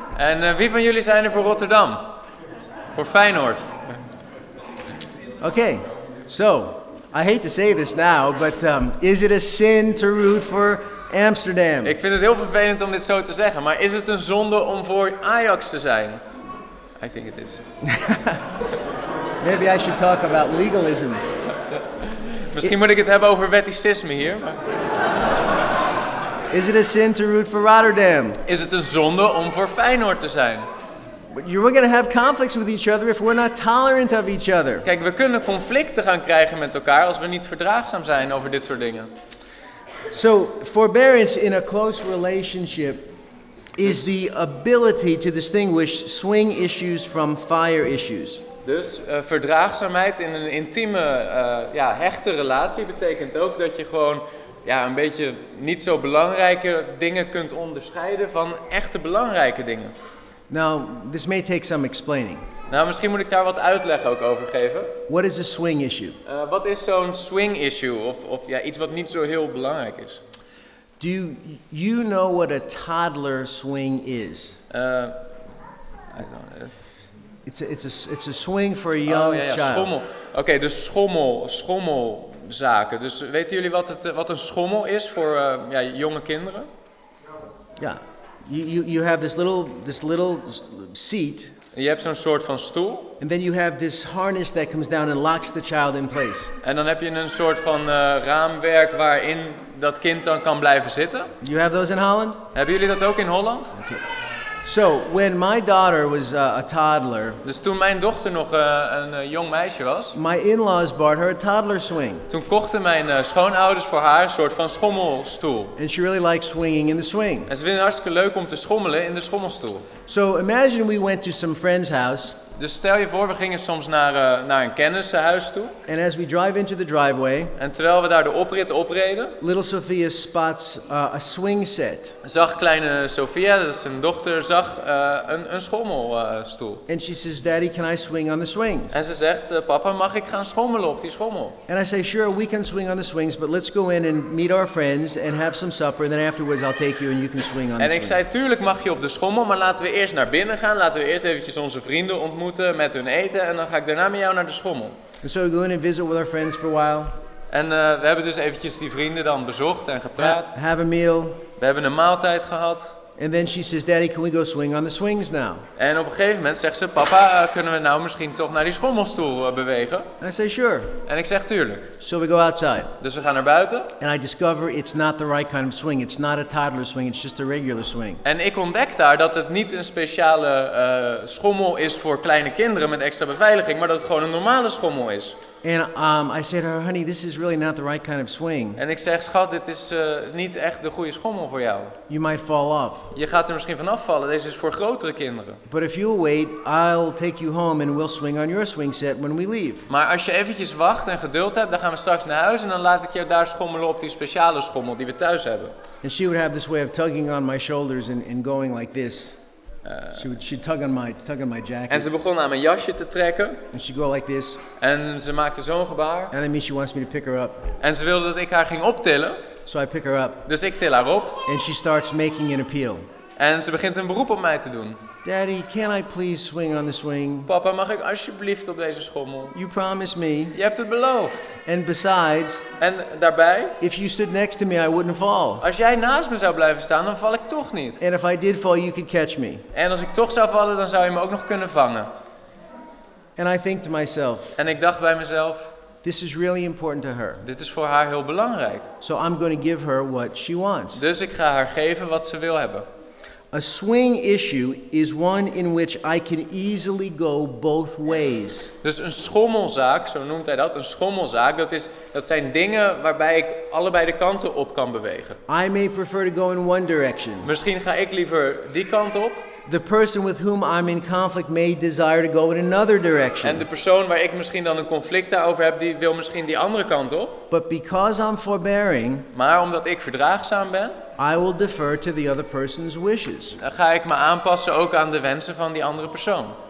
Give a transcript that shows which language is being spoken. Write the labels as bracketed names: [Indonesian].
[Dutch] En wie van jullie zijn er voor Rotterdam? Voor Feyenoord. [English] Okay, so I hate to say this now, but is it a sin to root for Amsterdam? [Dutch] Ik vind het heel vervelend om dit zo te zeggen, maar is het een zonde om voor Ajax te zijn? [English] I think it is. Maybe I should talk about legalism. [Dutch] Misschien moet ik het hebben over wetticisme hier. [English] Is it a sin to root for Rotterdam? [Dutch] Is het een zonde om voor Feyenoord te zijn? [English] But you're going to have conflicts with each other if we're not tolerant of each other. [Dutch] Kijk, we kunnen conflicten gaan krijgen met elkaar als we niet verdraagzaam zijn over dit soort dingen. [English] So, forbearance in a close relationship is the ability to distinguish swing issues from fire issues. [Dutch] Dus verdraagzaamheid in een intieme, hechte relatie betekent ook dat je gewoon een beetje niet zo belangrijke dingen kunt onderscheiden van echte belangrijke dingen. [English] Now, this may take some explaining. [Dutch] Nou, misschien moet ik daar wat uitleg ook over geven. [English] What is a swing issue? [Dutch] Wat is zo'n swing issue of iets wat niet zo heel belangrijk is? [English] Do you know what a toddler swing is? I don't know. It's a swing for a young child. [Dutch] Oh ja, schommel. Oké, de schommelzaken. Dus weten jullie wat een schommel is voor jonge kinderen? [English] Ja. You have this little seat. [Dutch] En je hebt zo'n soort van stoel. [English] And then you have this harness that comes down and locks the child in place. [Dutch] En dan heb je een soort van raamwerk waarin dat kind dan kan blijven zitten. [English] You have those in Holland? [Dutch] Hebben jullie dat ook in Holland? [English] Okay. So when my daughter was a toddler, [Dutch] dus toen mijn dochter nog een jong meisje was, [English] my in-laws bought her a toddler swing. [Dutch] Toen kochten mijn schoonouders voor haar een soort van schommelstoel. [English] And she really liked swinging in the swing. [Dutch] En ze vindt het hartstikke leuk om te schommelen in de schommelstoel. [English] So imagine we went to some friend's house. [Dutch] Dus stel je voor, we gingen soms naar een kennissenhuis toe. [English] And as we drive into the driveway, [Dutch] en terwijl we daar de oprit opreden, [English] little Sophia spots a swing set. [Dutch] Zag kleine Sophia, dat is zijn dochter, zag een schommelstoel. [English] And she says, "Daddy, can I swing on the swings?" [Dutch] En ze zegt, "Papa, mag ik gaan schommelen op die schommel?" [English] And I say, "Sure, we can swing on the swings, but let's go in and meet our friends and have some supper, and then afterwards I'll take you and you can swing on the swings." [Dutch] En ik zei, "Tuurlijk mag je op de schommel, maar laten we eerst naar binnen gaan. Laten we eerst eventjes onze vrienden ontmoeten." Met hun eten en dan ga ik daarna met jou naar de schommel. [English] And so we go in and visit with our friends for a while. [Dutch] En we hebben dus eventjes die vrienden dan bezocht en gepraat. [English] Have a meal. [Dutch] We hebben een maaltijd gehad. [English] And then she says, "Daddy, can we go swing on the swings now?" [Dutch] En op een gegeven moment zegt ze, "Papa, kunnen we nou misschien toch naar die schommelstoel bewegen?" [English] I say, "Sure." [Dutch] En ik zeg, "Tuurlijk." [English] So we go outside. [Dutch] Dus we gaan naar buiten. [English] And I discover it's not the right kind of swing. It's not a toddler swing. It's just a regular swing. [Dutch] En ik ontdek daar dat het niet een speciale schommel is voor kleine kinderen met extra beveiliging, maar dat het gewoon een normale schommel is. [English] And I said, "Oh, honey, this is really not the right kind of swing." [Dutch] En ik zeg, "Schat, dit is niet echt de goede schommel voor jou. [English] You might fall off." [Dutch] Je gaat er misschien van afvallen. Deze is voor grotere kinderen. [English] "But if you'll wait, I'll take you home and we'll swing on your swing set when we leave." [Dutch] Maar als je eventjes wacht en geduld hebt, dan gaan we straks naar huis en dan laat ik jou daar schommelen op die speciale schommel die we thuis hebben. [English] And she would have this way of tugging on my shoulders and going like this. She'd tug on my jacket. [Dutch] En ze begon aan mijn jasje te trekken. [English] And she'd go like this. [Dutch] En ze maakte zo'n gebaar. [English] And that means she wants me to pick her up. [Dutch] En ze wilde dat ik haar ging optillen. [English] So I pick her up. [Dutch] Dus ik til haar op. [English] And she starts making an appeal. [Dutch] En ze begint een beroep op mij te doen. [English] "Daddy, can I please swing on the swing?" [Dutch] Papa, mag ik alsjeblieft op deze schommel? [English] "You promised me." [Dutch] Je hebt het beloofd. [English] "And besides." [Dutch] En daarbij. [English] "If you stood next to me, I wouldn't fall." [Dutch] Als jij naast me zou blijven staan, dan val ik toch niet. [English] "And if I did fall, you could catch me." [Dutch] En als ik toch zou vallen, dan zou je me ook nog kunnen vangen. [English] And I think to myself. [Dutch] En ik dacht bij mezelf. [English] This is really important to her. [Dutch] Dit is voor haar heel belangrijk. [English] So I'm going to give her what she wants. [Dutch] Dus ik ga haar geven wat ze wil hebben. [English] A swing issue is one in which I can easily go both ways. [Dutch] Dus een schommelzaak, zo noemt hij dat, een schommelzaak, dat zijn dingen waarbij ik allebei de kanten op kan bewegen. [English] I may prefer to go in one direction. [Dutch] Misschien ga ik liever die kant op. [English] The person with whom I'm in conflict may desire to go in another direction. [Dutch] En de persoon waar ik misschien dan een conflict daarover heb, die wil misschien die andere kant op. [English] But because I'm forbearing, [Dutch] maar omdat ik verdraagzaam ben, [English] I will defer to the other person's wishes. [Dutch] Dan ga ik me aanpassen ook aan de wensen van die andere persoon.